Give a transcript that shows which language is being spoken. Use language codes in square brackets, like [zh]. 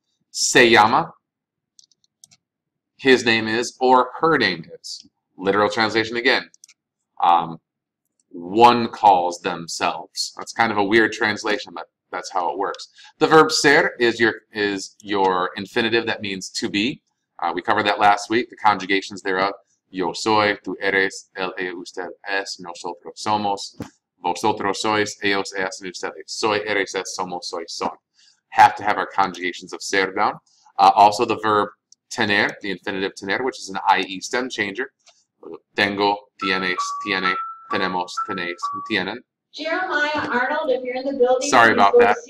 [es] Se llama, [en] his name is, or her name is. Literal translation again, one calls themselves. That's kind of a weird translation, but that's how it works. The verb ser is your infinitive. That means to be. We covered that last week, the conjugations thereof. [es] Yo soy, tú eres, él es, usted es, nosotros somos, vosotros sois, ellos es, ustedes. Soy, eres, es, somos, soy, son. [en] Have to have our conjugations of ser down. Also the verb tener, the infinitive tener, which is an IE stem changer. [es] tengo, tienes, tiene, tenemos, tenéis, tienen. [en] Jeremiah Arnold, if you're in the building, sorry about that.